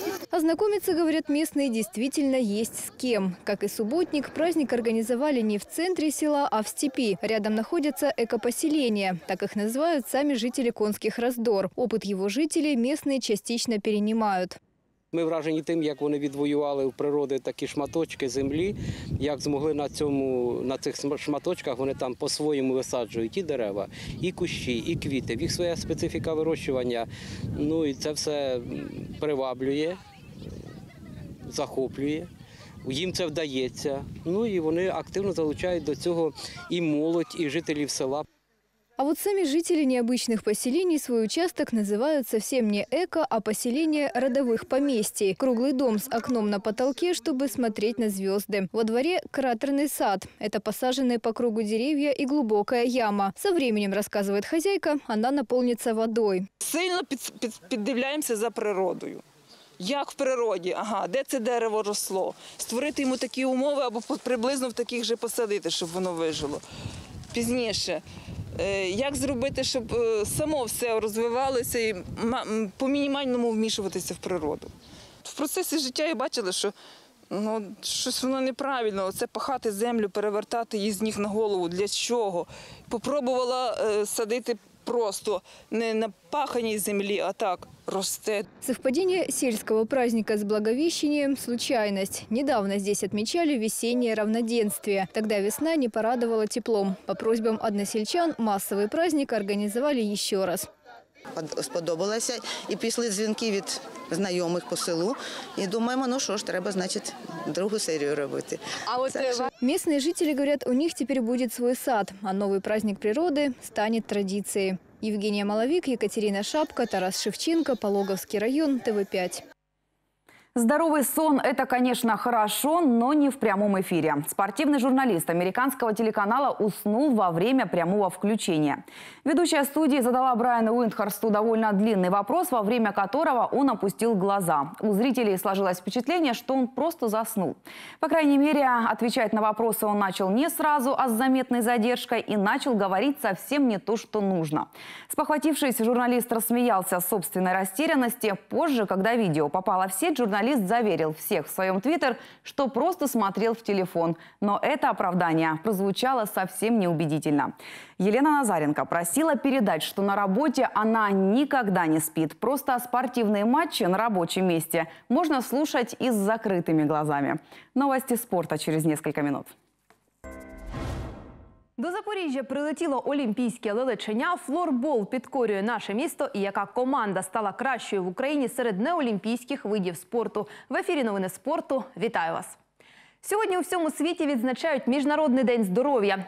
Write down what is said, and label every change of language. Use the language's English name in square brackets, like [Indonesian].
[Russian] Ознакомиться, говорят местные, действительно есть с кем. Как и субботник, праздник организовали не в центре села, а в степи. Рядом находятся экопоселения. Так их называют сами жители Конских Раздор. Опыт его жителей местные частично перенимают. [Ukrainian] Ми вражені тим, як вони відвоювали в природі такі шматочки землі, як змогли на цих шматочках вони там по-своєму висаджують і дерева, і кущі, і квіти. В їх своя специфіка вирощування. Ну і це все приваблює, захоплює. Їм це вдається. Ну і вони активно залучають до цього і молодь, і жителів села. [Russian] А вот сами жители необычных поселений свой участок называют совсем не эко, а поселение родовых поместий. Круглый дом с окном на потолке, чтобы смотреть на звезды. Во дворе кратерный сад. Это посаженные по кругу деревья и глубокая яма. Со временем, рассказывает хозяйка, она наполнится водой. [Ukrainian] Сильно поддивляемся за природою. Як в природі, ага, де це дерево росло. Створити йому такі умови або приблизно в таких же посадити, щоб воно вижило. Пізніше. Як зробити, щоб само все розвивалося і по мінімальному вмішуватися в природу? В процесі життя я бачила, що Ну, щось воно неправильно. Це пахати землю, перевертати її з ніг на голову. Для чого? Попробувала садити просто не на паханій землі, а так росте. [Russian] Совпадение сельского праздника с Благовещением – случайность. Недавно здесь отмечали весеннее равноденствие. Тогда весна не порадовала теплом. По просьбам односельчан массовый праздник организовали еще раз. [Ukrainian] Сподобалося, і пішли дзвінки від знайомих по селу, і думаємо, ну що ж, треба, значить, другу серію робити. А от місцеві жителі говорять, у них тепер буде свій сад, а новий праздник природи стане традицією. Євгенія Маловік, Екатерина Шапка, Тарас Шевченко, Пологовський район, ТВ5. [Russian] Здоровый сон – это, конечно, хорошо, но не в прямом эфире. Спортивный журналист американского телеканала уснул во время прямого включения. Ведущая студии задала Брайану Уиндхорсту довольно длинный вопрос, во время которого он опустил глаза. У зрителей сложилось впечатление, что он просто заснул. По крайней мере, отвечать на вопросы он начал не сразу, а с заметной задержкой, и начал говорить совсем не то, что нужно. Спохватившись, журналист рассмеялся с собственной растерянности. Позже, когда видео попало в сеть, журналист заверил всех в своем твиттер, что просто смотрел в телефон. Но это оправдание прозвучало совсем неубедительно. Елена Назаренко просила передать, что на работе она никогда не спит. Просто спортивные матчи на рабочем месте можно слушать и с закрытыми глазами. Новости спорта через несколько минут. [Ukrainian] До Запоріжжя прилетіло олімпійське лелечення. Флорбол підкорює наше місто і яка команда стала кращою в Україні серед неолімпійських видів спорту. В ефірі новини спорту. Вітаю вас! Сьогодні у всьому світі відзначають Міжнародний день здоров'я.